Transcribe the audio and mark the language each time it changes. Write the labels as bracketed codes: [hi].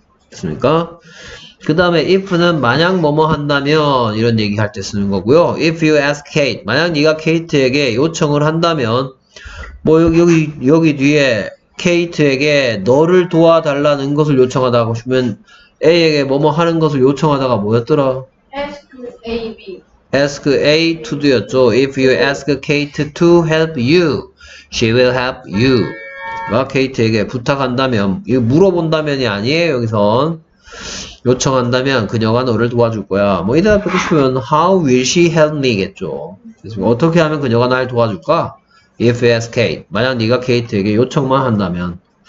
[ko] 됐습니까? 그 다음에 if는 만약 뭐뭐 한다면 이런 얘기할 때 쓰는 거고요. [en] if you ask Kate, [ko] 만약 네가 케이트에게 요청을 한다면 뭐 여기 뒤에 케이트에게 너를 도와달라는 것을 요청하다 하고 싶으면 A에게 뭐뭐 하는 것을 요청하다가 뭐였더라? [en] Ask A, B. Ask A to do였죠. If you ask Kate to help you, she will help you. [ko] 아, Kate에게 부탁한다면, 물어본다면이 아니에요, 여기선. 요청한다면 그녀가 너를 도와줄 거야. 뭐, 이 대답 듣고 싶으면, [en] How will she help me? [ko] 겠죠. 어떻게 하면 그녀가 날 도와줄까? [en] If you ask Kate. [ko] 만약 네가 Kate에게 요청만 한다면.